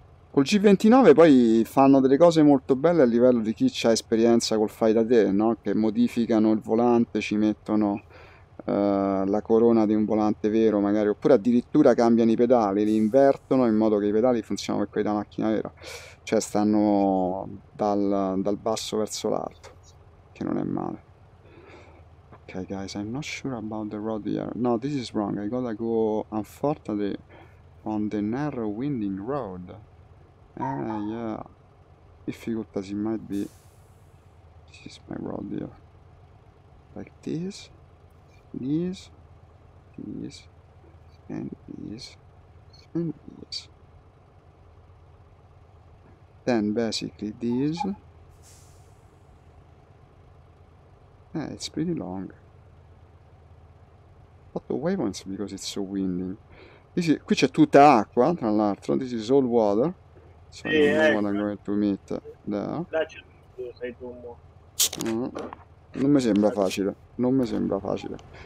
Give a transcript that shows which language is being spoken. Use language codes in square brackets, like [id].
[it] Col G29 poi fanno delle cose molto belle a livello di chi c'ha esperienza col fai da te, no? Che modificano il volante, ci mettono la corona di un volante vero, magari, oppure addirittura cambiano i pedali, li invertono in modo che i pedali funzionano come quelli da macchina vera, cioè stanno dal basso verso l'alto, che non è male. [en] Ok, guys, I'm not sure about the road here. No, this is wrong. I gotta go, unfortunately, on the narrow winding road. Yeah. Difficult as it might be. This is my road here. Like this, this, this, and this, and this. Then basically this. It's pretty long. The waypoints because it's so windy. [it] Qui c'è tutta acqua, tra l'altro. [en] This is all water, so I don't know what I'm [it] Ecco, [en] going to meet there. [it] là c'è tu, sei tu un po'. Non mi sembra facile, non mi sembra facile.